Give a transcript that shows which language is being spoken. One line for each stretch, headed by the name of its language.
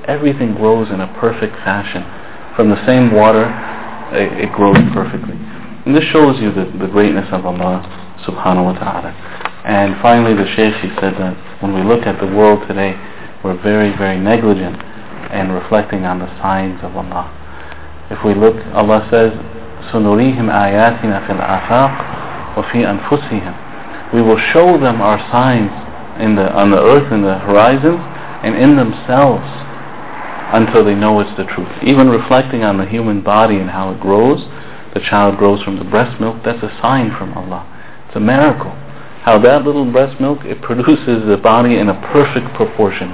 English: Everything grows in a perfect fashion. From the same water, it grows perfectly. And this shows you the greatness of Allah subhanahu wa ta'ala. And finally, the Shaykh, he said that when we look at the world today, we're very, very negligent in reflecting on the signs of Allah. If we look, Allah says,
Arabic: سُنُرِيهِمْ آيَاتِنَا فِي الْآفَاقِ وَفِي أَنفُسِهِمْ.
English: We will show them our signs on the earth, in the horizons, and in themselves, until they know it's the truth. Even reflecting on the human body and how it grows, the child grows from the breast milk, that's a sign from Allah. It's a miracle. How that little breast milk, it produces the body in a perfect proportion.